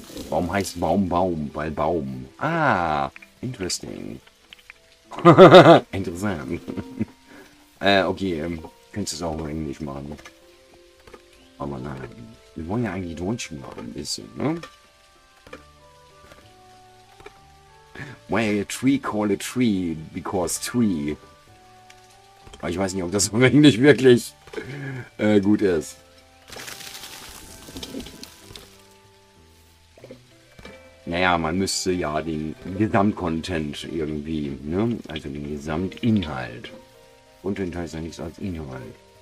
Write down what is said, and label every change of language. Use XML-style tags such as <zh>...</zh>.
<de>Baum heißt Baum, Baum, weil Baum.</de> <en>Ah, interesting.</en> <de>Interessant. okay, könntest du es auch Englisch machen? Aber nein, wir wollen ja eigentlich Deutsch machen, ein bisschen, ne?</de> <en>Why a tree call a tree because tree?</en> <de>Aber ich weiß nicht, ob das eigentlich wirklich gut ist. Naja, man müsste ja den Gesamtcontent irgendwie, ne? Also den Gesamtinhalt. Und den Teil ist ja nichts als Inhalt.</de>